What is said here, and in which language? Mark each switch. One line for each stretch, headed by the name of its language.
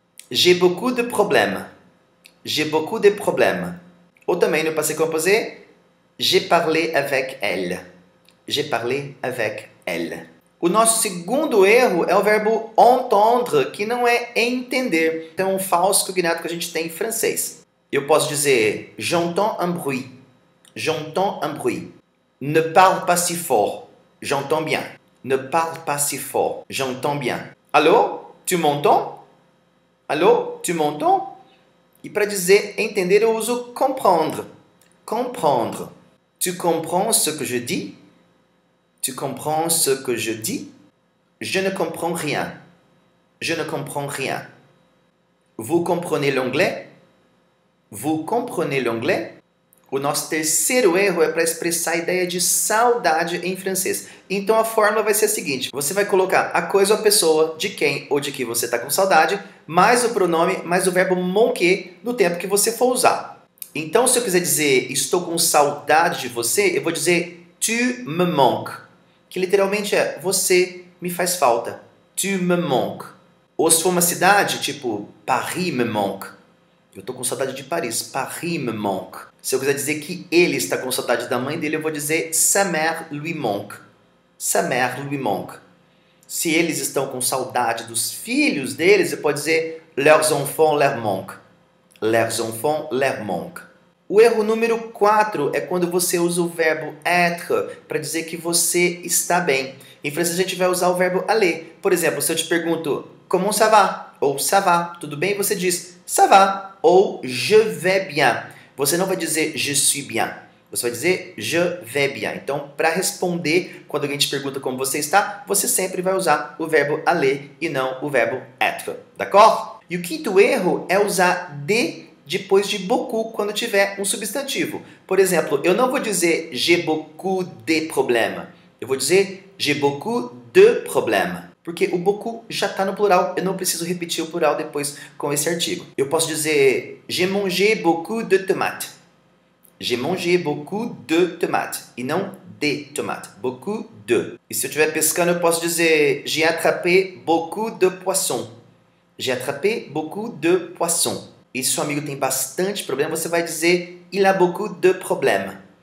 French: J'ai beaucoup de problèmes. J'ai beaucoup de problèmes.
Portuguese: Ou também no
French: passé composé, j'ai parlé avec elle. J'ai parlé avec elle.
Portuguese: O nosso segundo erro é o verbo entendre, que não é entender. Então, é um falso cognato que a gente tem em francês. Eu posso dizer
French: j'entends un bruit. J'entends un bruit. Ne parle pas si fort. J'entends bien. Ne parle pas si fort. J'entends bien. Allô? Tu m'entends? Allô? Tu m'entends?
Portuguese: E para dizer entender, eu uso comprendre.
French: Comprendre. Tu comprends ce que je dis? Tu comprends ce que je dis? Je ne comprends rien. Je ne comprends rien. Vous comprenez l'anglais? Vous comprenez l'anglais?
Portuguese: O nosso terceiro erro é para expressar a ideia de saudade em francês. Então a fórmula vai ser a seguinte: você vai colocar a coisa ou a pessoa de quem ou de que você está com saudade, mais o pronome, mais o verbo manquer no tempo que você for usar. Então, se eu quiser dizer estou com saudade de você, eu vou dizer
French: tu me manques,
Portuguese: que literalmente é você me faz falta.
French: Tu me manques.
Portuguese: Ou se for uma cidade, tipo
French: Paris me manque.
Portuguese: Eu estou com saudade de Paris.
French: Paris me manque.
Portuguese: Se eu quiser dizer que ele está com saudade da mãe dele, eu vou dizer
French: sa mère lui manque. Sa mère lui manque.
Portuguese: Se eles estão com saudade dos filhos deles, eu posso dizer
French: leurs enfants leur manque. Leurs enfants leur manque.
Portuguese: O erro número 4 é quando você usa o verbo être para dizer que você está bem. Em francês, a gente vai usar o verbo aller. Por exemplo, se eu te pergunto
French: comment ça va?
Portuguese: Ou ça va? Tudo bem? Você diz
French: ça va? Ou je vais bien.
Portuguese: Você não vai dizer
French: je suis bien.
Portuguese: Você vai dizer
French: je vais bien.
Portuguese: Então, para responder quando alguém te pergunta como você está, você sempre vai usar o verbo aller e não o verbo être. D'accord? E o quinto erro é usar de depois de beaucoup quando tiver um substantivo. Por exemplo, eu não vou dizer
French: j'ai beaucoup de problèmes.
Portuguese: Eu vou dizer
French: j'ai beaucoup de problèmes.
Portuguese: Porque o beaucoup já está no plural, eu não preciso repetir o plural depois com esse artigo. Eu posso dizer
French: j'ai mangé beaucoup de tomates. J'ai mangé beaucoup de tomates.
Portuguese: E não
French: de tomates. Beaucoup de.
Portuguese: E se eu estiver pescando, eu posso dizer
French: j'ai attrapé beaucoup de poissons. J'ai attrapé beaucoup de poissons.
Portuguese: E se seu amigo tem bastante problema, você vai dizer
French: il a beaucoup de problèmes.